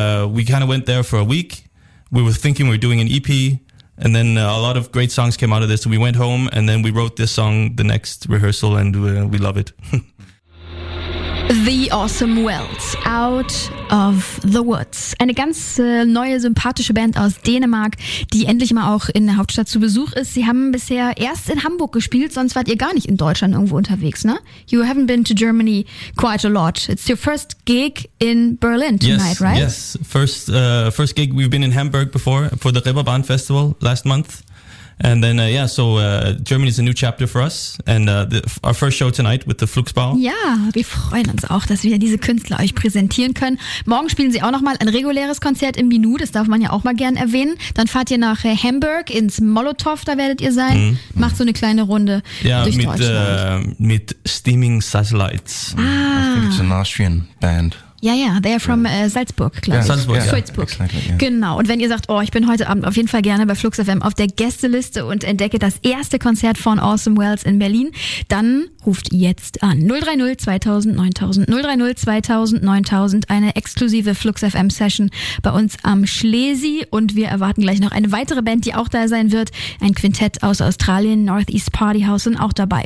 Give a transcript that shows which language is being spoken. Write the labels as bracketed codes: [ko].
[en] We kind of went there for a week. We were thinking we were doing an EP, and then a lot of great songs came out of this. So we went home, and then we wrote this song the next rehearsal, and we love it. The Awesome Wells, Out of the Woods. [de] Eine ganz neue, sympathische Band aus Dänemark, die endlich mal auch in der Hauptstadt zu Besuch ist. Sie haben bisher erst in Hamburg gespielt, sonst wart ihr gar nicht in Deutschland irgendwo unterwegs, ne? [en] You haven't been to Germany quite a lot. It's your first gig in Berlin tonight, yes, right? Yes, first gig. We've been in Hamburg before for the Reeperbahn Festival last month. And then, Germany is a new chapter for us, and our first show tonight with the Flugsbau. [de] Ja, wir freuen uns auch, dass wir diese Künstler euch präsentieren können. Morgen spielen sie auch nochmal ein reguläres Konzert im Minu, das darf man ja auch mal gern erwähnen. Dann fahrt ihr nach Hamburg ins Molotow, da werdet ihr sein, macht so eine kleine Runde durch mit Deutschland. Ja, mit Steaming Satellites. [en] Ah. I think it's an Austrian band. [de] Ja, ja, [en] they're from Salzburg, [de] glaube ich. Salzburg. [en] Exactly, yeah. [de] Genau, und wenn ihr sagt, oh, ich bin heute Abend auf jeden Fall gerne bei Flux FM auf der Gästeliste und entdecke das erste Konzert von Awesome Wells in Berlin, dann ruft jetzt an. 030-2000-9000, eine exklusive Flux FM Session bei uns am Schlesi, und wir erwarten gleich noch eine weitere Band, die auch da sein wird, ein Quintett aus Australien, Northeast Party House, sind auch dabei.